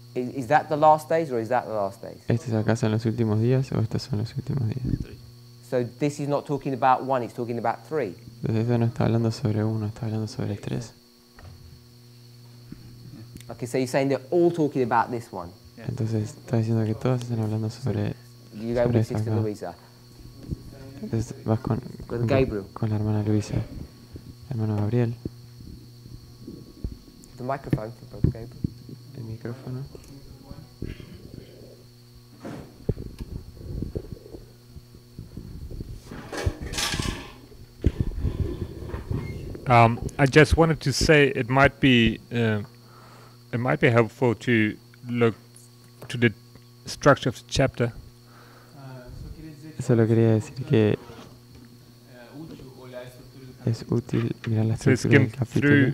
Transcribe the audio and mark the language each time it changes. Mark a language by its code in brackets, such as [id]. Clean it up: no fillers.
[en] Is that the last days or is that the last days? [pt] Estes acaso são os últimos dias ou estes são os últimos dias? [en] So this is not talking about one, it's talking about three. [es] Entonces esto no está hablando sobre uno, está hablando sobre tres. [en] Okay, so you're saying they're all talking about this one. [es] Entonces está diciendo que todos están hablando sobre. [en] You go [es] sobre [en] with sister Luisa. [es] Entonces vas con Gabriel. Con la hermana Luisa. Hermano Gabriel. [en] The microphone for both Gabriel. [es] El micrófono. [en] I just wanted to say it might be helpful to look to the structure of the chapter. [es] Solo quería decir que es útil mirar la estructura del capítulo.